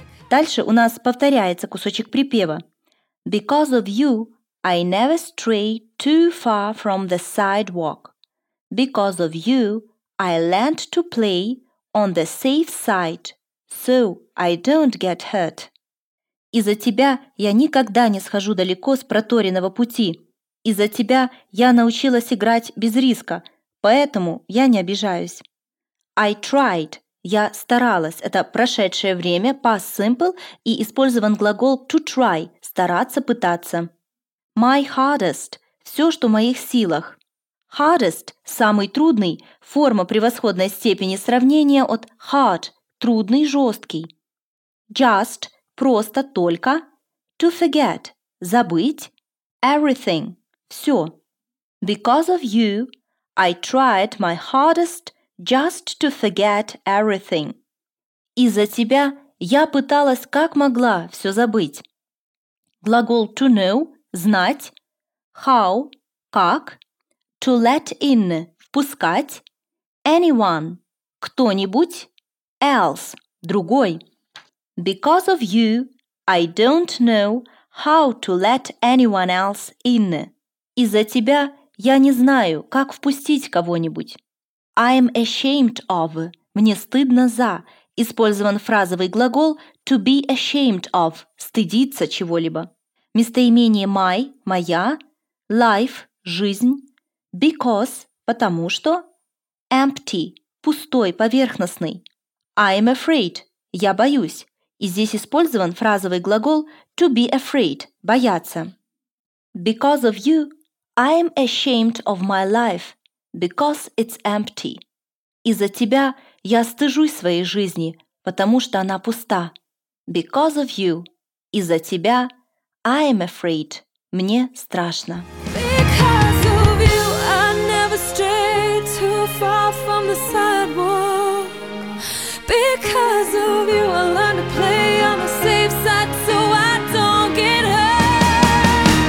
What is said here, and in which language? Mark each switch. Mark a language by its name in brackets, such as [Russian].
[Russian] Дальше у нас повторяется кусочек припева. [English] Because of you, I never stray too far from the sidewalk. Because of you, I learned to play on the safe side, so I don't get hurt. [Russian] Из-за тебя я никогда не схожу далеко с проторенного пути. Из-за тебя я научилась играть без риска, поэтому я не обижаюсь. [English] I tried. [Russian] Я старалась. Это прошедшее время, past simple, и использован глагол to try – стараться, пытаться. My hardest – все, что в моих силах. Hardest – самый трудный, форма превосходной степени сравнения от hard – трудный, жесткий. Just – просто, только. To forget – забыть. Everything – все. [English] Because of you, I tried my hardest – just to forget everything. [Russian] Из-за тебя я пыталась как могла все забыть. глагол to know – знать, how – как, to let in – впускать, anyone – кто-нибудь, else – другой. [English] Because of you, I don't know how to let anyone else in. [Russian] Из-за тебя я не знаю, как впустить кого-нибудь. I'm ashamed of – мне стыдно за – использован фразовый глагол to be ashamed of – стыдиться чего-либо. Местоимение my – моя, life – жизнь, because – потому что, empty – пустой, поверхностный. I'm afraid – я боюсь. И здесь использован фразовый глагол to be afraid – бояться. [English] Because of you, I'm ashamed of my life, because it's empty. [Russian] Из-за тебя я стыжусь своей жизни, потому что она пуста. [English] Because of you, [Russian] из-за тебя, [English] I am afraid, [Russian] мне страшно. [English] Because of you, I never stray too far from the sidewalk. Because of you, I learn to play on the safe side so I don't get hurt.